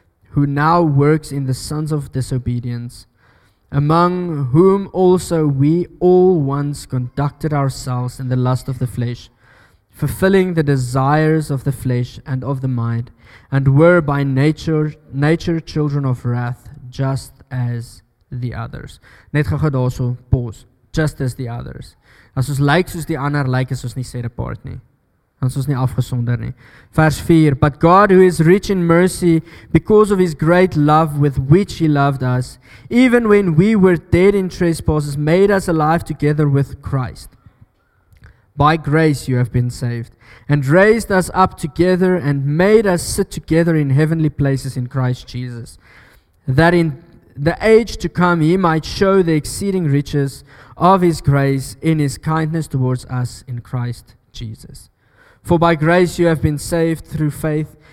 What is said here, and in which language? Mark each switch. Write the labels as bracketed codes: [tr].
[en] who now works in the sons of disobedience, among whom also we all once conducted ourselves in the lust of the flesh, fulfilling the desires of the flesh and of the mind, and were by nature children of wrath, just as the others. [af] Net gaga daarso, pause. [en] Just as the others. [af] As ons lyk soos die ander lyk, is ons nie [en] set apart [af] nie. As ons nie afgesonder nie. [en] Vers 4, but God who is rich in mercy because of his great love with which he loved us, even when we were dead in trespasses, made us alive together with Christ. By grace you have been saved, and raised us up together and made us sit together in heavenly places in Christ Jesus, that in the age to come he might show the exceeding riches of his grace in his kindness towards us in Christ Jesus. For by grace you have been saved through faith,